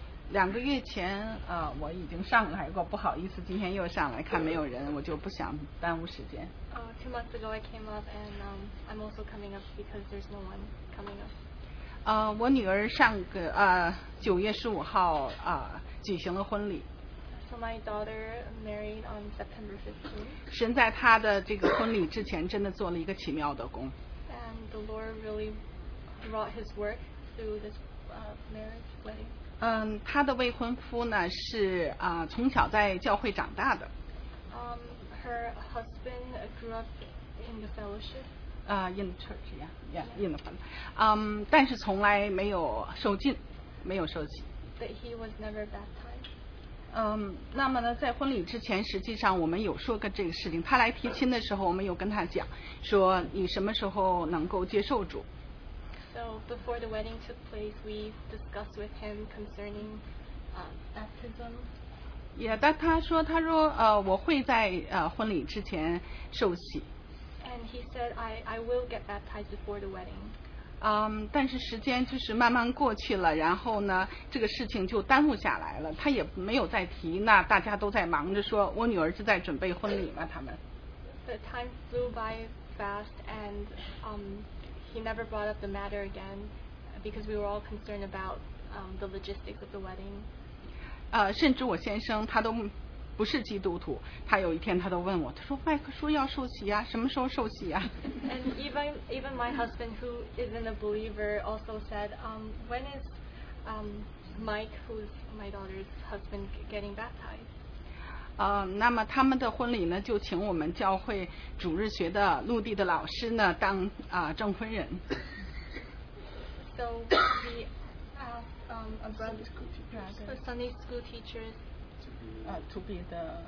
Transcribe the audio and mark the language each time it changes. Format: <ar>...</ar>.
<zh>两个月前我已经上来过，不好意思今天又上来看没有人，我就不想耽误时间。</zh> <en>Two months ago I came up and I'm also coming up because there's no one coming up.</en> <zh>我女儿上个九月十五号举行了婚礼。</zh> <en>So my daughter married on September 15th.</en> <zh>神在她的这个婚礼之前真的做了一个奇妙的工。</zh> <en>And the Lord really wrought his work through this marriage wedding.</en> <zh>她的未婚夫呢是从小在教会长大的。</zh> <en>Her husband grew up in the fellowship. In the church, yeah, in the fellowship.</en> <zh>但是从来没有受浸，没有受浸。</zh> <en>But he was never baptized.</en> <zh>那么呢，在婚礼之前，实际上我们有说过这个事情。他来提亲的时候，我们有跟他讲，说你什么时候能够接受主。</zh> <en>So before the wedding took place, we discussed with him concerning baptism.</en> <zh>Yeah, 但他说，他说，我会在婚礼之前受洗。</zh> <en>And he said, I will get baptized before the wedding.</en> <zh>但是时间就是慢慢过去了，然后呢，这个事情就耽误下来了。他也没有再提，那大家都在忙着说，我女儿是在准备婚礼吗？他们。</zh> <en>The time flew by fast and He never brought up the matter again because we were all concerned about the logistics of the wedding.</en> <zh>甚至我先生他都不是基督徒，他有一天他都问我，他说麦克说要受洗啊，什么时候受洗啊？</zh> <en>And even my husband who isn't a believer also said, when is Mike, who's my daughter's husband, getting baptized?</en> <zh>那么他们的婚礼呢，就请我们教会主日学的陆地的老师呢当证婚人。</zh> <en>So we asked a brother, Sunday school teachers, to be the</en>